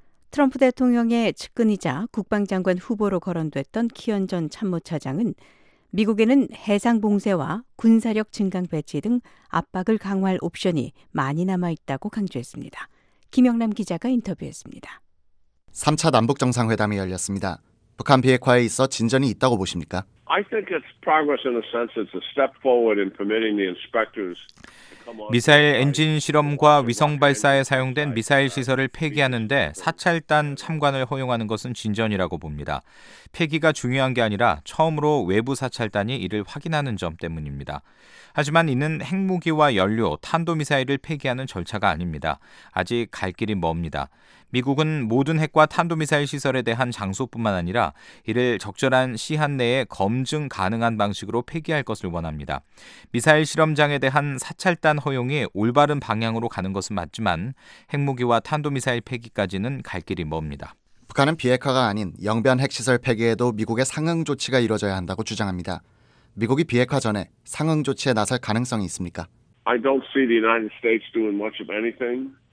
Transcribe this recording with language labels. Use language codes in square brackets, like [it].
[ko] 트럼프 대통령의 측근이자 국방장관 후보로 거론됐던 키언 전 참모차장은 미국에는 해상 봉쇄와 군사력 증강 배치 등 압박을 강화할 옵션이 많이 남아있다고 강조했습니다. 김영남 기자가 인터뷰했습니다. 3차 남북정상회담이 열렸습니다. 북한 비핵화에 있어 진전이 있다고 보십니까? [en] I think it's progress in a sense it's a step forward in permitting the inspectors. [ko] 미사일 엔진 실험과 위성 발사에 사용된 미사일 시설을 폐기하는데 사찰단 참관을 허용하는 것은 진전이라고 봅니다. 폐기가 중요한 게 아니라 처음으로 외부 사찰단이 이를 확인하는 점 때문입니다. 하지만 이는 핵무기와 연료, 탄도미사일을 폐기하는 절차가 아닙니다. 아직 갈 길이 멉니다. 미국은 모든 핵과 탄도미사일 시설에 대한 장소뿐만 아니라 이를 적절한 시한 내에 검증 가능한 방식으로 폐기할 것을 원합니다. 미사일 실험장에 대한 사찰단 허용이 올바른 방향으로 가는 것은 맞지만 핵무기와 탄도미사일 폐기까지는 갈 길이 멉니다. 북한은 비핵화가 아닌 영변 핵시설 폐기에도 미국의 상응 조치가 이뤄져야 한다고 주장합니다. 미국이 비핵화 전에 상응 조치에 나설 가능성이 있습니까? [en] I don't see the United States doing much of anything.